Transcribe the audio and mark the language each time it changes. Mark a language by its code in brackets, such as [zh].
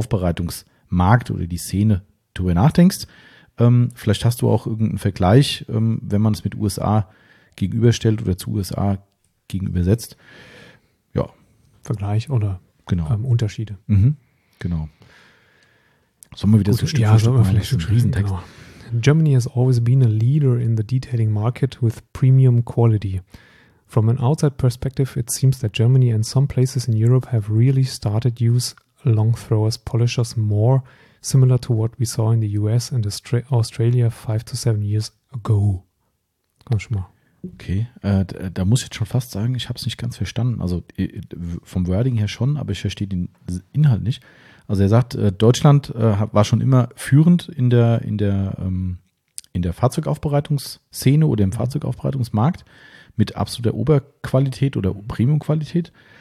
[de] Fahrzeugaufbereitungsmarkt oder die Szene drüber nachdenkst? Vielleicht hast du auch irgendeinen Vergleich, wenn man es mit USA gegenüberstellt oder zu USA gegenübersetzt. Ja. Vergleich oder? Genau. Unterschiede. Mhm. Genau. Sollen wir wieder so Stück für Stück vielleicht ein Riesentext. Genau. [en] Germany has always been a leader in the detailing market with premium quality. From an outside perspective, it seems that Germany and some places in Europe have really started use long throwers polishers more similar to what we saw in the US and Australia 5 to 7 years ago. [de] Komm schon mal. Okay, da muss ich jetzt schon fast sagen, ich habe es nicht ganz verstanden. Also vom Wording her schon, aber ich verstehe den Inhalt nicht. Also er sagt, Deutschland war schon immer führend in der Fahrzeugaufbereitungsszene oder im Fahrzeugaufbereitungsmarkt mit absoluter Oberqualität oder Premiumqualität.